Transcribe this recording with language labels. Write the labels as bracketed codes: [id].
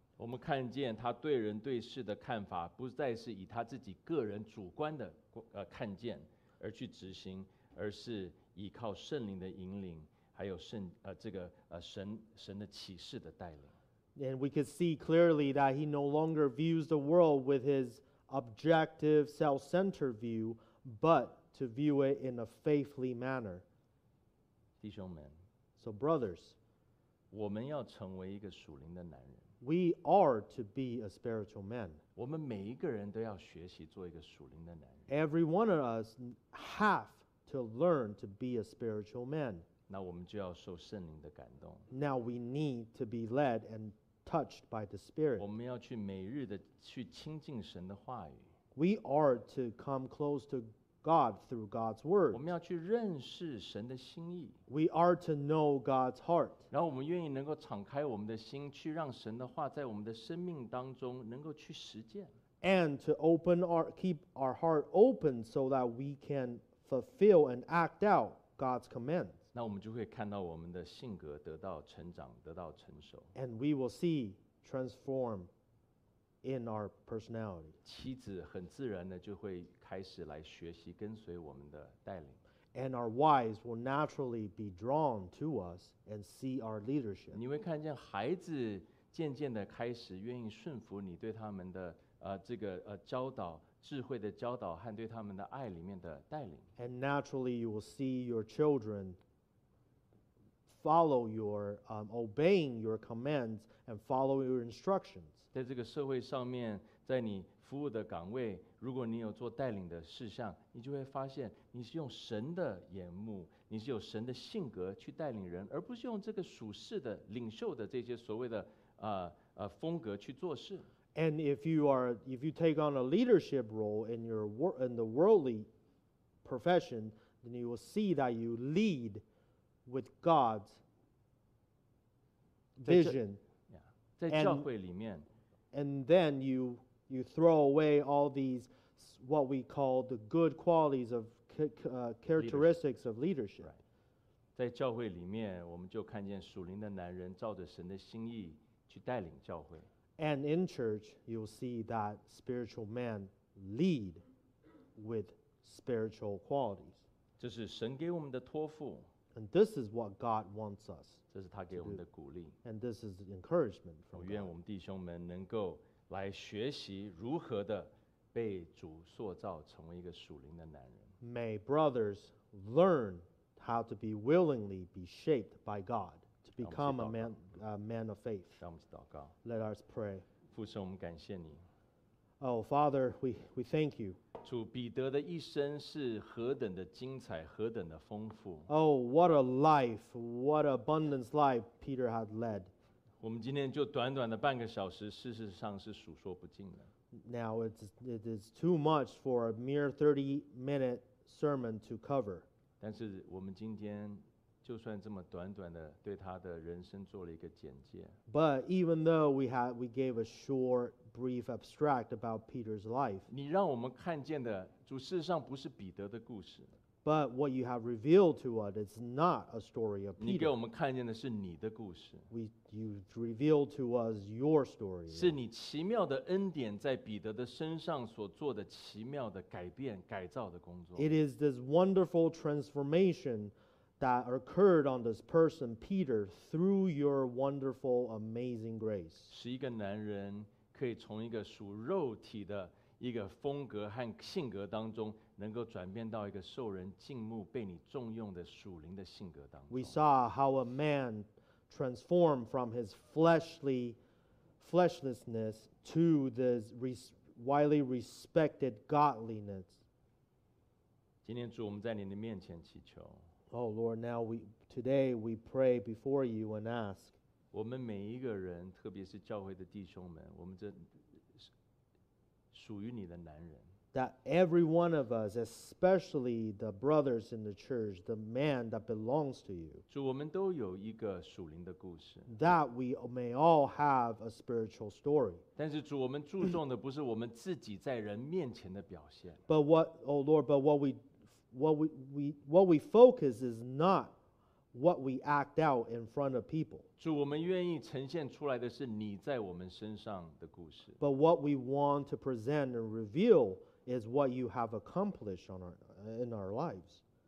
[zh] 我们看见他对人对事的看法不再是以他自己个人主观的看见而去执行，而是依靠圣灵的引领，还有神的启示的带领。 [en] And we could see clearly that he no longer views the world with his objective self-centered view, but to view it in a faithfully manner. [zh] 弟兄们, [en] so brothers, [zh] 我们要成为一个属灵的男人。 [en] We are to be a spiritual man. [zh] 我们每一个人都要学习做一个属灵的男人。 [en] Every one of us have to learn to be a spiritual man. [zh] 那我们就要受圣灵的感动。 [en] Now we need to be led and touched by the Spirit. [zh] 我们要去每日的去亲近神的话语。 [en] We are to come close to God through God's word. [zh] 我们要去认识神的心意。 [en] We are to know God's heart. [zh] 然后我们愿意能够敞开我们的心，去让神的话在我们的生命当中能够去实践。 [en] And to open keep our heart open so that we can fulfill and act out God's commands. [zh] 那我们就会看到我们的性格得到成长，得到成熟。 [en] And we will see transform in our personality. [zh] 妻子很自然的就会开始来学习跟随我们的带领。 [en] And our wives will naturally be drawn to us and see our leadership. [zh] 你会看见孩子渐渐的开始愿意顺服你对他们的教导，智慧的教导和对他们的爱里面的带领。 [en] And naturally you will see your children follow obeying your commands and follow your instructions. [zh] 在这个社会上面，在你服务的岗位，如果你有做带领的事项，你就会发现你是用神的眼目，你是有神的性格去带领人，而不是用这个属世的领袖的这些所谓的风格去做事。 [en] And if you take on a leadership role in the worldly profession, then you will see that you lead with God's vision. [zh] Yeah, 在教会里面。 [en] And then you throw away all these what we call the good qualities of characteristics of leadership. Right. [zh] 在教会里面，我们就看见属灵的男人照着神的心意去带领教会。 [en] And in church, you'll see that spiritual man lead with spiritual qualities. [zh] 这是神给我们的托付。 [en] And this is what God wants us. [zh] 这是他给我们的鼓励。 [en] And this is encouragement from God. [zh] 我愿我们弟兄们能够来学习如何的被主塑造成为一个属灵的男人。 [en] May brothers learn how to be willingly be shaped by God to become a man of faith. Let us pray. [zh] 父神，我们感谢你。 [en] Oh, Father, we thank you. [zh] 主彼得的一生是何等的精彩，何等的丰富。 [en] Oh, what a life, what abundance life Peter had led. [zh] 我们今天就短短的半个小时，事实上是数说不尽的。 [en] Now it is too much for a mere 30-minute sermon to cover. [zh] 但是我们今天就算这么短短的对他的人生做了一个简介。 [en] But even though we gave a short, brief abstract about Peter's life. [zh] 你让我们看见的主事实上不是彼得的故事。 [en] But what you have revealed to us is not a story of Peter. [zh] 你给我们看见的是你的故事。 [en] You revealed to us your story. [zh] 是你奇妙的恩典在彼得的身上所做的奇妙的改变、改造的工作。 [en] It is this wonderful transformation that occurred on this person, Peter, through your wonderful, amazing grace. [zh] 是一个男人可以从一个属肉体的一个风格和性格当中能够转变到一个受人敬慕被你重用的属灵的性格当中。 [en] We saw how a man transformed from his fleshlessness to this widely respected godliness. [zh] 今天主我们在你的面前祈求。 [en] Oh Lord, now today we pray before you and ask. [zh] 我们每一个人特别是教会的弟兄们我们这属于你的男人。 [en] That every one of us, especially the brothers in the church, the man that belongs to you. [zh] 主我们都有一个属灵的故事。 [en] That we may all have a spiritual story. [zh] 但是主我们注重的不是我们自己在人面前的表现。 [en] But what we focus is not what we act out in front of people. [zh] 主我们愿意呈现出来的是你在我们身上的故事。 [en] But what we want to present and reveal is what you have accomplished in our lives.